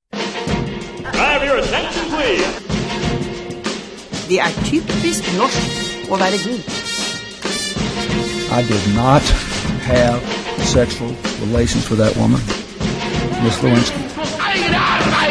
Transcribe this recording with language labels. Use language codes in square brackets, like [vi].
[en] Have your attention, please. [sv] Det är typiskt norskt att vara gay. [en] I did not have sexual relations with that woman, Miss Lewinsky.